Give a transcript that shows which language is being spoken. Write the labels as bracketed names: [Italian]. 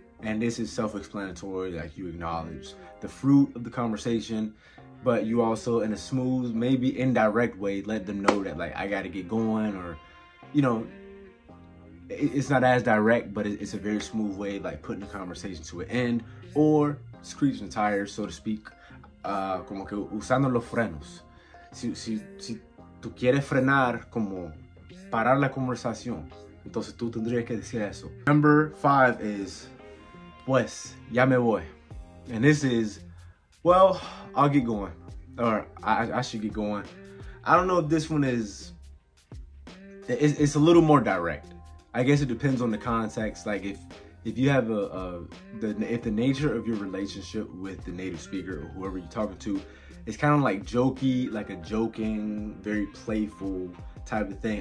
[English] And this is self-explanatory, like you acknowledge the fruit of the conversation, but you also, in a smooth, maybe indirect way, let them know that, like, I gotta get going, or, you know, it's not as direct, but it's a very smooth way, like, putting the conversation to an end, or screeching the tires, so to speak, [Spanish] como que usando los frenos. Si tú quieres frenar, como parar la conversación, entonces tú tendrías que decir eso. [English] Number five is, [Spanish] pues, ya me voy. [English] And this is, well, I'll get going, or I should get going. I don't know if this one is, it's a little more direct. I guess it depends on the context. Like if you have if the nature of your relationship with the native speaker or whoever you're talking to, it's kind of like jokey, like a joking, very playful type of thing.